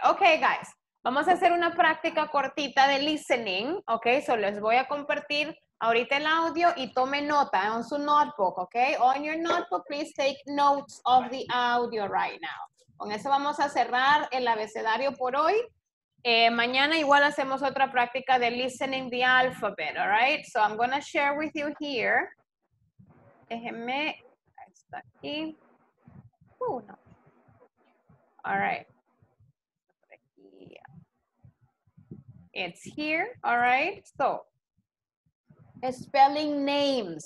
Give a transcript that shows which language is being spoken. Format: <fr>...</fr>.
<en>Okay, guys,</en> <es>vamos a hacer una práctica cortita de listening, okay, so les voy a compartir ahorita el audio y tome nota en su notebook, okay?</es> <en>On your notebook, please take notes of the audio right now.</en> <es>Con eso vamos a cerrar el abecedario por hoy. Mañana igual hacemos otra práctica de listening</es> <en>the alphabet, all right? So I'm going to share with you here.</en> <es>Déjeme, ahí está aquí. No.</es> <en>All right. It's here, all right? So, spelling names.</en>